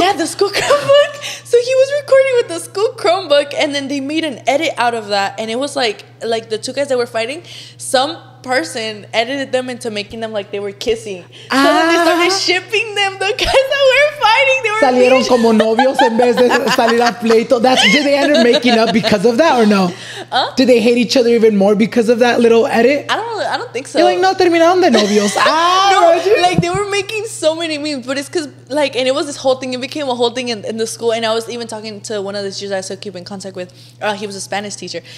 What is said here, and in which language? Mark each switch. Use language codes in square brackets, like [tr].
[en] Yeah, the school Chromebook. So he was recording with the school Chromebook, and then they made an edit out of that. And it was like the two guys that were fighting, some person edited them into making them like they were kissing. So then they started shipping them, the guys that were fighting. They were [es] salieron beach. Como novios en vez de salir a pleito. [en] That's, did they end up making up because of that or no? Did they hate each other even more because of that little edit? I don't think so. You're like, no, [es] terminaron de novios. [en] No, like they were making so many memes, but it's because like, and it was this whole thing. It became a whole thing in the school, and I was even talking to one of the teachers I still keep in contact with. He was a Spanish teacher.